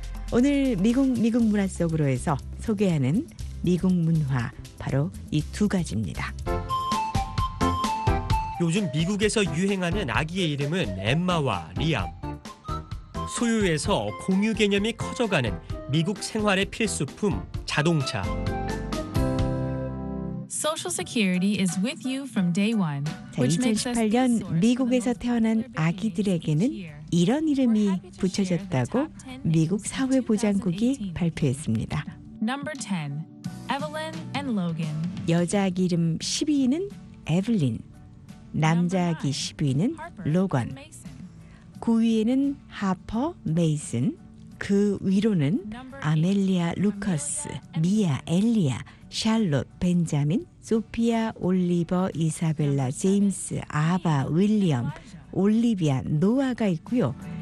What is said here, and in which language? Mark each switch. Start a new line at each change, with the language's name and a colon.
Korean: 오늘 미국 미국 문화 속으로 해서 소개하는 미국 문화 바로 이 두 가지입니다. 요즘 미국에서 유행하는 아기의 이름은 엠마와 리암. 소유에서 공유 개념이 커져가는 미국 생활의 필수품 자동차.
English: Social Security is with you from day one.
Korean: 자, 2018년 미국에서 태어난 아기들에게는 이런 이름이 붙여졌다고 미국 사회보장국이 발표했습니다.
English: Number 10, Evelyn and Logan.
Korean: 여자 아기 이름 12위는 에블린, 남자 아기 12위는 로건, 9위에는 하퍼 메이슨, 그 위로는 아멜리아 루커스, 미아 엘리아, 샬롯, 벤자민, 소피아, 올리버, 이사벨라, 제임스, 아바, 윌리엄, 올리비아, 노아가 있고요.